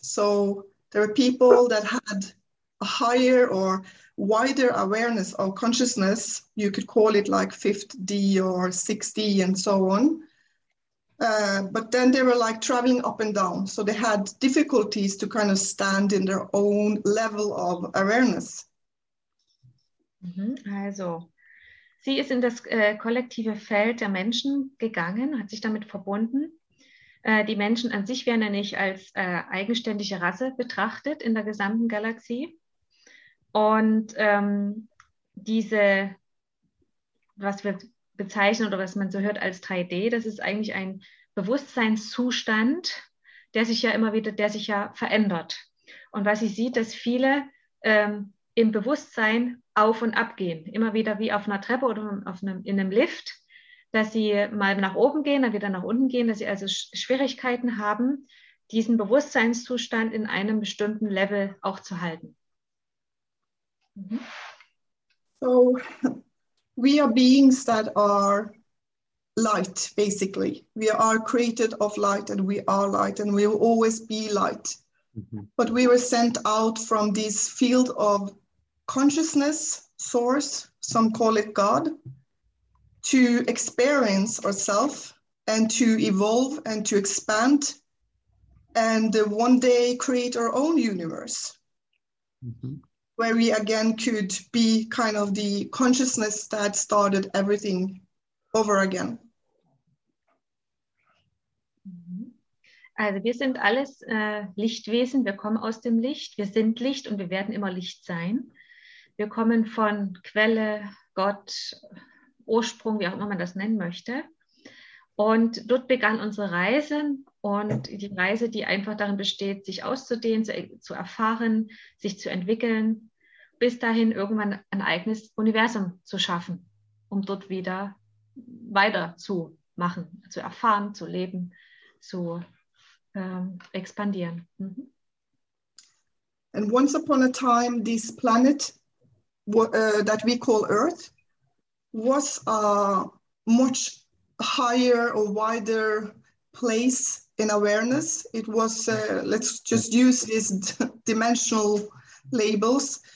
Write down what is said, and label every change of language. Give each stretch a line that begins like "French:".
English: So there were people that had a higher or wider awareness of consciousness. You could call it like 5D or 6D and so on. But then they were like traveling up and down. So they had difficulties to kind of stand in their own level of awareness.
German: Also, sie ist in das kollektive Feld der Menschen gegangen, hat sich damit verbunden. die Menschen an sich werden ja nicht als eigenständige Rasse betrachtet in der gesamten Galaxie. Und diese, was wir bezeichnen oder was man so hört als 3D, das ist eigentlich ein Bewusstseinszustand, der sich ja immer wieder, der sich ja verändert. Und was ich sehe, dass viele im Bewusstsein auf und ab gehen, immer wieder wie auf einer Treppe oder in einem Lift, dass sie mal nach oben gehen, dann wieder nach unten gehen, dass sie also Schwierigkeiten haben, diesen Bewusstseinszustand in einem bestimmten Level auch zu halten. Mhm.
English: So, we are beings that are light, basically. We are created of light and we are light and we will always be light. Mm-hmm. But we were sent out from this field of consciousness, source, some call it God, to experience ourselves and to evolve and to expand and one day create our own universe, mm-hmm. where we again could be kind of the consciousness that started everything over again.
German: Also wir sind alles Lichtwesen, wir kommen aus dem Licht, wir sind Licht und wir werden immer Licht sein. Wir kommen von Quelle, Gott, Ursprung, wie auch immer man das nennen möchte. Und dort begann unsere Reise und die Reise, die einfach darin besteht, sich auszudehnen, zu erfahren, sich zu entwickeln, bis dahin irgendwann ein eigenes Universum zu schaffen, um dort wieder weiter zu machen, zu erfahren, zu leben, zu expandieren. Mm-hmm.
English: And once upon a time, this planet that we call Earth was a much higher or wider place in awareness. It was, let's just use these dimensional labels.